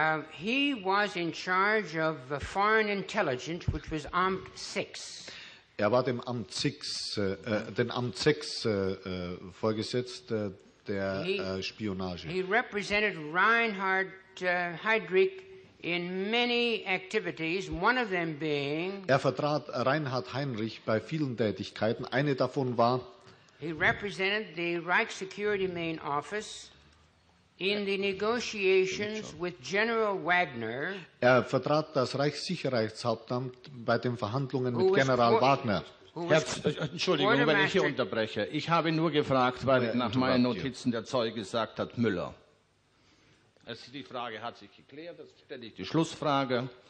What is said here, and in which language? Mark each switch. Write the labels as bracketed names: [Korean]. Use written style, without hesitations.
[English] He was in charge of the foreign intelligence, which was Amt 6. [German] Er war dem Amt 6, den Amt 6 vorgesetzt, der Spionage. [English] He represented Reinhard Heydrich in many activities, one of them being... [German] Er vertrat Reinhard Heydrich bei vielen Tätigkeiten. Eine davon war... [English] He represented the Reich Security Main Office in the negotiations with General Wagner. [German] Er vertrat das Reichssicherheitshauptamt bei den Verhandlungen mit General Wagner. Entschuldigung, wenn ich hier unterbreche. Ich habe nur gefragt, weil nach meinen Notizen der Zeuge gesagt hat, Müller. Die Frage hat sich geklärt, das stelle ich die Schlussfrage.